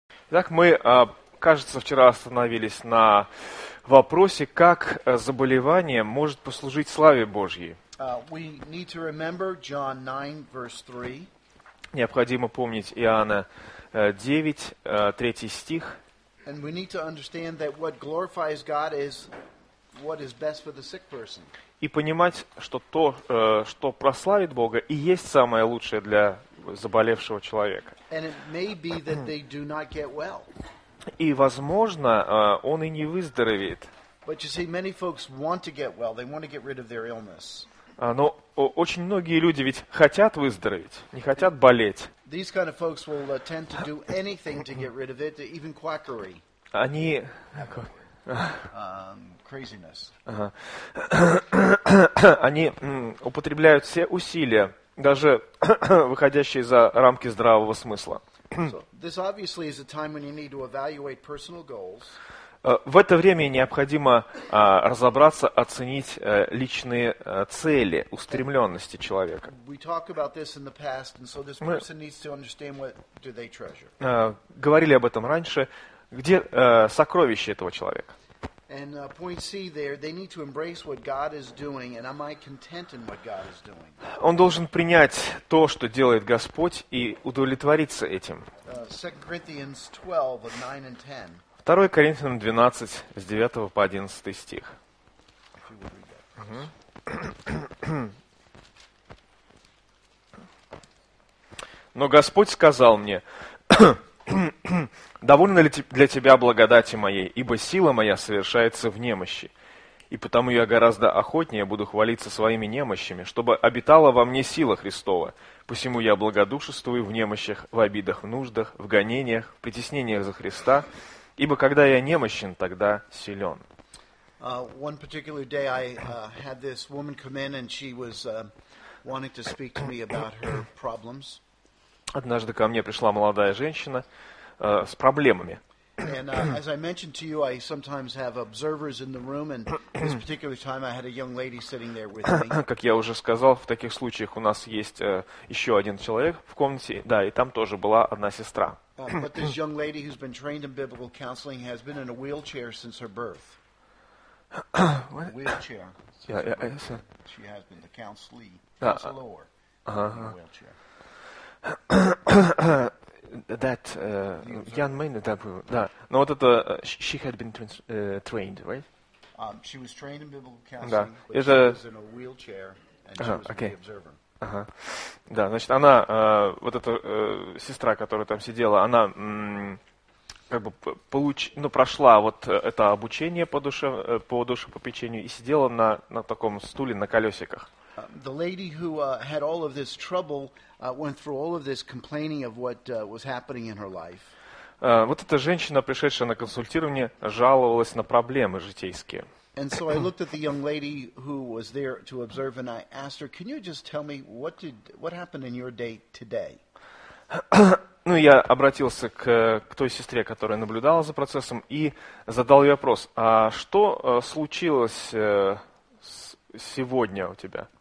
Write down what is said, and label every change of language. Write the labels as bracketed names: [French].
[Russian] Итак, мы, кажется, вчера остановились на вопросе, как заболевание может послужить славе Божьей. [English] We need to remember John 9, verse 3. [Russian] Необходимо помнить Иоанна 9, 3 стих. [English] And we need to understand that what glorifies God is what is best for the sick person. [Russian] И понимать, что то, что прославит Бога, и есть самое лучшее для заболевшего человека. [English] And it may be that they do not get well. [Russian] И, возможно, он и не выздоровеет. [English] But you see, many folks want to get well. They want to get rid of their illness. [Russian] Но очень многие люди ведь хотят выздороветь, не хотят болеть. [English] These kind of folks will tend to do anything to get rid of it, even quackery. [Russian] Они... [English] Craziness. [Russian] Они употребляют все усилия, даже выходящие за рамки здравого смысла. В это время необходимо разобраться, оценить личные цели, устремленности человека. Мы говорили об этом раньше. Где сокровища этого человека? [English] And point C there, they need to embrace what God is doing, and am I content in what God is doing? [Russian] Он должен принять то, что делает Господь, и удовлетвориться этим. [English] 2 Corinthians 12:9-10. 2 Corinthians 12:9-11. [Russian] Но Господь сказал мне: «Довольно ли для тебя благодати моей, ибо сила моя совершается в немощи, и потому я гораздо охотнее буду хвалиться своими немощами, чтобы обитала во мне сила Христова. Посему я благодушествую в немощах, в обидах, в нуждах, в гонениях, в притеснениях за Христа, ибо когда я немощен, тогда силен». [English] One particular day I had this woman come in, and she was wanting to speak to me about her problems. [Russian] Однажды ко мне пришла молодая женщина с проблемами. [English] And as I mentioned to you, I sometimes have observers in the room, and this particular time I had a young lady sitting there with me. [Russian] Как я уже сказал, в таких случаях у нас есть еще один человек в комнате, да, и там тоже была одна сестра. [English] But this young lady who's been trained in biblical counseling has been in a wheelchair since her birth. What? Wheelchair. She has been the counselee, counselor in a wheelchair. That young man, that was, [Russian] да. Но вот это, [English] she had been trained, right? She was trained in biblical counseling, [Russian] да. [English] But [Russian] это... [English] she was in a wheelchair, and she was okay. The observer. [Russian] Ага. Да, значит, она, вот эта сестра, которая там сидела, она как бы прошла вот это обучение по душепопечению и сидела на таком стуле на колесиках. [English] The lady who had all of this trouble went through all of this complaining of what was happening in her life. [Russian] Вот эта женщина, пришедшая на консультирование, жаловалась на проблемы житейские. [English] And so I looked at the young lady who was there to observe, and I asked her, "Can you just tell me what happened in your day today?" [Russian] Ну, я обратился к той сестре, которая наблюдала за процессом, и задал ей вопрос: "А что случилось сегодня у тебя?"